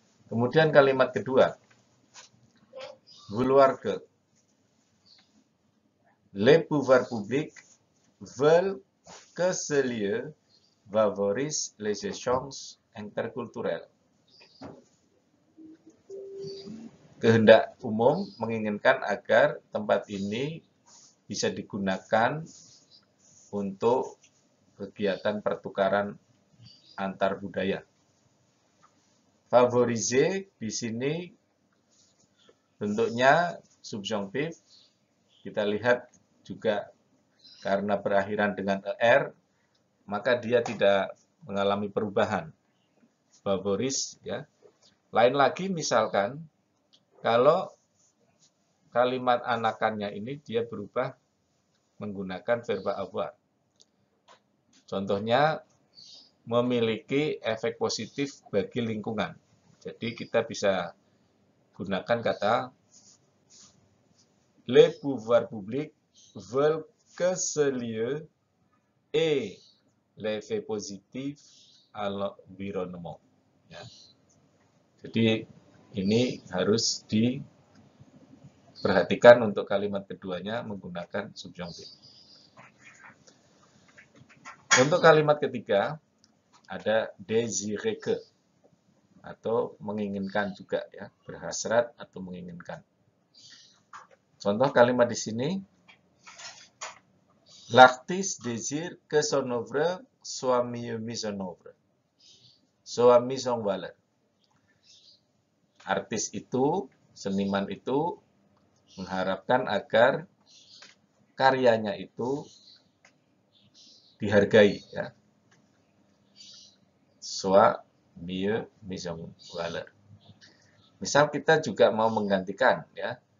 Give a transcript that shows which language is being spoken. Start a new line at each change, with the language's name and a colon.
Indonesian: Kemudian kalimat kedua,
French: vouloir que les pouvoirs publics veulent que ce lieu favorise les échanges interkulturels.
Indonesian: Kehendak umum menginginkan agar tempat ini bisa digunakan untuk kegiatan pertukaran antar budaya. Favorise di sini bentuknya subjonctif. Kita lihat juga karena berakhiran dengan er, maka dia tidak mengalami perubahan. Favoris, ya. Lain lagi misalkan, kalau kalimat anakannya ini dia berubah menggunakan verba avoir. Contohnya, memiliki efek positif bagi lingkungan. Jadi kita bisa gunakan kata
French: Le pouvoir public veulent que ce lieu ait l'effet positif à l'environnement.
Indonesian: Ya. Jadi ini harus diperhatikan untuk kalimat keduanya menggunakan subjonctif. Untuk kalimat ketiga, ada désirer que, atau menginginkan juga ya, berhasrat atau menginginkan. Contoh kalimat di sini,
French: l'artiste désire que son œuvre soit mieux mise en œuvre, soit mise en valeur.
Indonesian: Artis itu, seniman itu, mengharapkan agar karyanya itu dihargai, ya.
French: Soit mieux mise en valeur.
Indonesian: Misal kita juga mau menggantikan, ya.